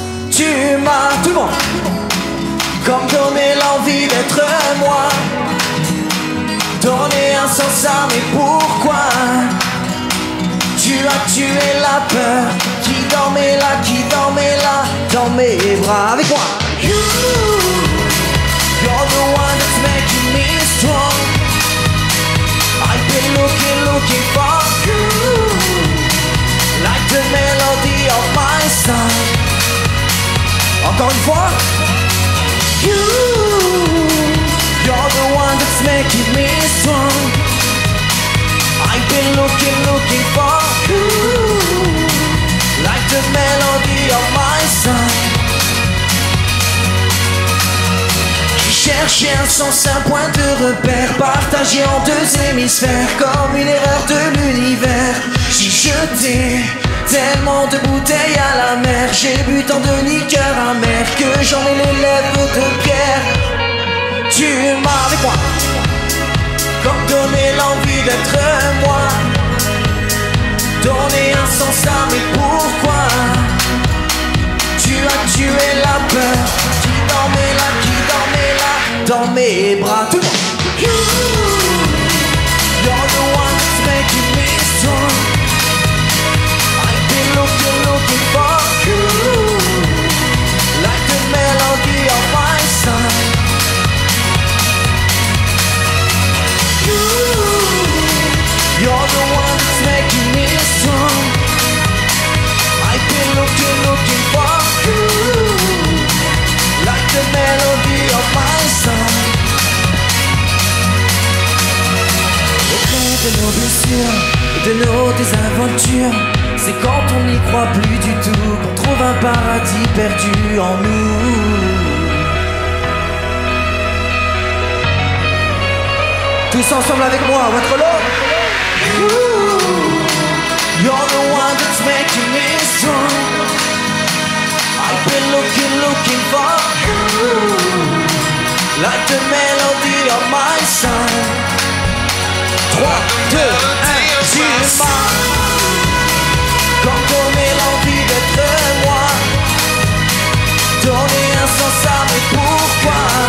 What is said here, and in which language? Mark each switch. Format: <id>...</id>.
<fr>Tu m'as, tout le monde, comme donné l'envie d'être moi. Donné un sens à mes pourquoi. Tu as tué la peur qui dormait là dans mes bras. Avec moi.</fr> <en>You, you're the one that's making me strong. I've been looking, looking for you, like the melody of my song.</en> <fr>Encore une fois.</fr> <en>You, you're the one that's making me strong. I've been looking, looking for you, like the melody of my song.</en> <fr>J'ai cherché un sens, un point de repère, partagé en deux hémisphères, comme une erreur de l'univers. J'ai jeté tellement de bouteilles à la mer, j'ai bu tant de liqueurs amères que j'en ai les lèvres de pierre. Tu m'as avec moi. Comme donner l'envie d'être moi. Donner un sens à mes pourquoi. Tu as tué la peur qui dormait là dans mes bras. Tout le monde.</fr> <en>You, you're the one that's making me strong. I've been looking, looking for you, like the melody of my song. You're the one that's making me strong. I've been looking, looking for you, like the melody of my song.</en> <fr>Auprès de nos blessures, de nos désaventures, c'est quand on n'y croit plus du tout qu'on trouve un paradis perdu en nous. Tous ensemble avec moi, votre lot.</fr> <en>Ooh, you're the one that's making me strong. I've been looking, looking for you, like the melody of my song.</en> <fr>3, 2, 1, tu m'as. Quand on met l'envie d'être moi. Donner un sens à mes pourquoi.</fr>